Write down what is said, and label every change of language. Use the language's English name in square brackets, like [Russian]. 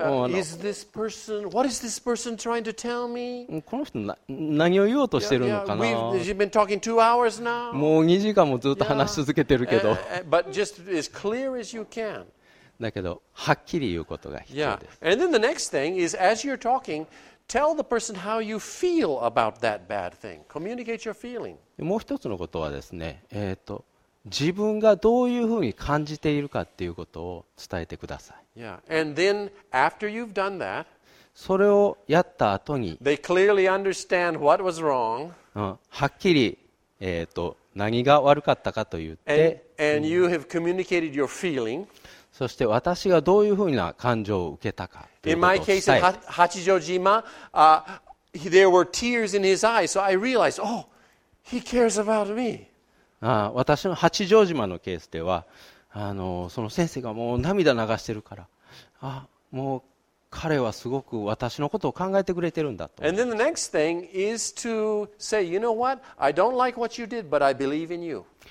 [English] Is this person, what is this person trying to tell me? [Japanese] この人何を言おうとしてるのかな。 [English] You've been talking 2 hours now. [Japanese] もう2時間もずっと話し続けてるけど。 [English] But just as clear as you can. [Japanese] だけどはっきり言うことが必要です。 [English] Yeah. And then the next thing is as you're talking. Tell the person how you feel about that bad thing. Communicate your feeling. [Japanese] もう一つのことはですね、自分がどういうふうに感じているかっていうことを伝えてください。 [English] Yeah. And then after you've done that, [Japanese] それをやった後に、 [English] they clearly understand what was wrong. [Japanese] はっきり、何が悪かったかと言って、 [English] and you have communicated your feeling. [Japanese] そして私がどういうふうな感情を受けたかということを伝え。 [English] In my case, in Hachijojima, there were tears in his eyes, so I realized, oh, he cares about me. [Japanese] 私の八丈島のケースでは、その先生がもう涙流してるから、もう彼はすごく私のことを考えてくれてるんだと。 [English] And then the next thing is to say, you know what? I don't like what you did, but I believe in you.